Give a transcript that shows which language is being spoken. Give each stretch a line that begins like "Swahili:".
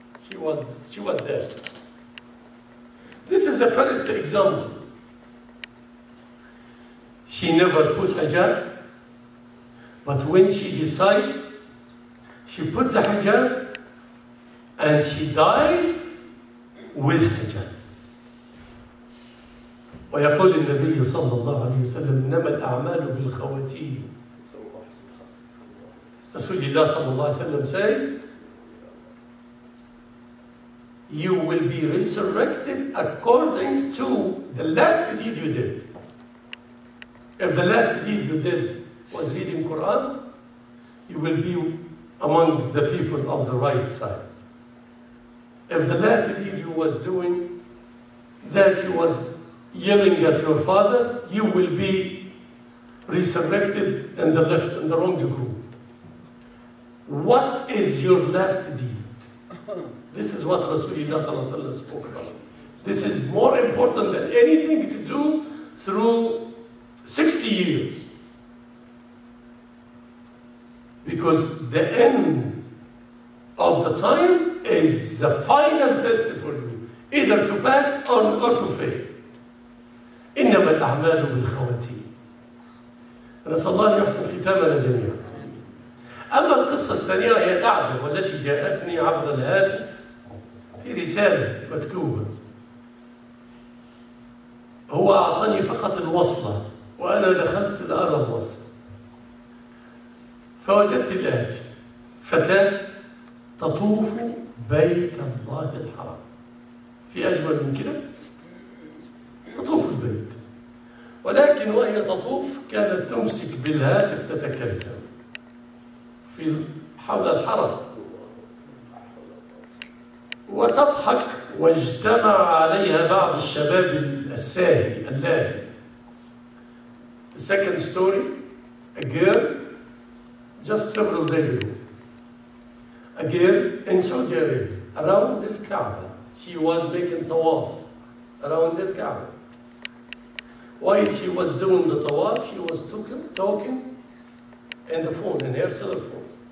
English: She was dead. This is a first example. She never put hijab, but when she decided, she put the hijab and she died with hijab.
Arabic: ويقول النبي صلى الله عليه وسلم إنما الأعمال بالخواتيم. رسول الله صلى الله عليه وسلم
English: says you will be resurrected according to the last deed you did. If the last deed you did was reading Quran, you will be among the people of the right side. If the last deed you was doing, that you was yelling at your father, you will be resurrected in the left, in the wrong group. What is your last deed? This is what Rasulullah spoke about. This is more important than anything to do through 60 years. Because the end of the time is the final test for you, either to pass or to fail.
Arabic: إِنَّمَا الْأَعْمَالُ بِالْخَوَاتِيمِ نسأل الله أن يحسن ختامنا جميعا. أما القصة الثانية هي الأعجب والتي جاءتني عبر الهاتف في رسالة مكتوبة. هو أعطاني فقط الوصفة وأنا دخلت لأرى الوصفة. فوجدت الآتي: فتاة تطوف بيت الله الحرام. في أجمل من كده؟ تطوف البيت. ولكن وهي تطوف كانت تمسك بالهاتف تتكلم في حول الحرم وتضحك، واجتمع عليها بعض الشباب الساهي اللاهي.
English: The second story, a girl just several days ago. A girl in Saudi Arabia, around the Kaaba. She was making tawaf around the Kaaba. While she was doing the tawaf, she was talking in the phone, in her cell phone.